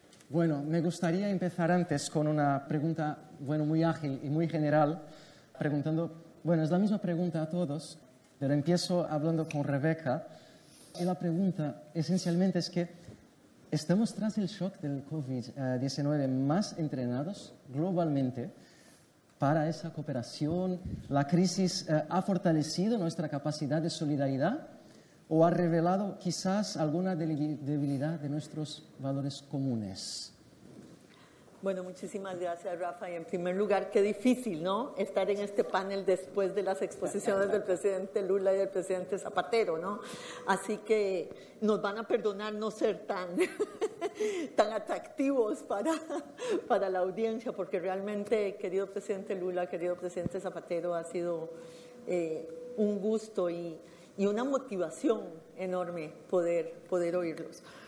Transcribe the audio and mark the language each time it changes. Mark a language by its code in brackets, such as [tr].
[es] Bueno, me gustaría empezar antes con una pregunta, bueno, muy ágil y muy general, preguntando, bueno, es la misma pregunta a todos, pero empiezo hablando con Rebecca. Y la pregunta esencialmente es que, ¿estamos tras el shock del COVID-19 más entrenados globalmente [pt] para essa cooperação? A crise [es] ha fortalecido [pt] nossa capacidade de solidariedade ou ha revelado, quizás, alguma debilidade de nossos valores comunes? [es] Bueno, muchísimas gracias, Rafa. Y en primer lugar, qué difícil, ¿no?, estar en este panel después de las exposiciones del presidente Lula y del presidente Zapatero, ¿no? Así que nos van a perdonar no ser tan atractivos para la audiencia, porque realmente, querido presidente Lula, querido presidente Zapatero, ha sido un gusto y una motivación enorme poder oírlos.